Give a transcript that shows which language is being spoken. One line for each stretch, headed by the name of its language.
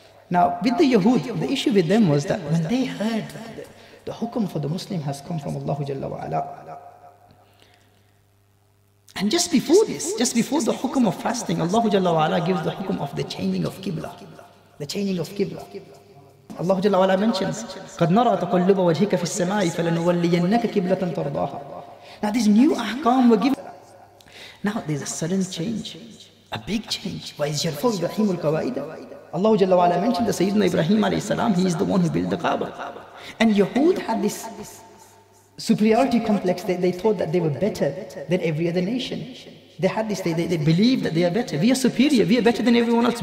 English: Now, with the Yahud, the issue with them was that when they heard that the hukum for the Muslim has come from Allah Jalla wa Ala, and just before this, just before the hukum of fasting, Allah Jalla wa Ala gives the hukum of the changing of Qibla. The changing of Qibla.
Arabic: Allah Jalla wa Ala mentions, قَدْ نَرَى تَقَلُّبَ وَجْهِكَ فِي السَّمَاءِ فَلَنُوَلِّيَنَّكَ كِبْلَةً تَرْضَاهَا.
English: Now, these new ahkam were given. Now there's a sudden change, a big change. Why is
Arabic: Yarfaw Ibrahim al-Qawaida?
English: Allah Jalla wa Ala mentioned that Sayyidina Ibrahim alayhi salam, he is the one who built the Kaaba. And Yahud had this superiority complex. They thought that they were better than every other nation. They had this, they believed that they are better. We are superior, we are better than everyone else.